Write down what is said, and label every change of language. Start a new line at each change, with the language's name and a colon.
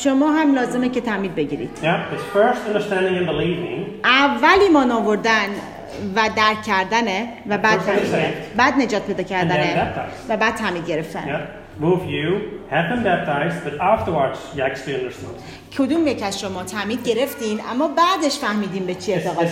Persian: شما هم لازمه که تعمید بگیرید.
English: Yeah, it's first understanding and believing.
Persian: اول ایمان آوردن و درک کردنه و بعد بعد نجات پیدا کردنه و بعد تعمید گرفتن.
English: Both you have been baptized, but afterwards you actually understood.
Persian: کدوم یک از شما تعمید گرفتین اما بعدش فهمیدین به چی اعتقاد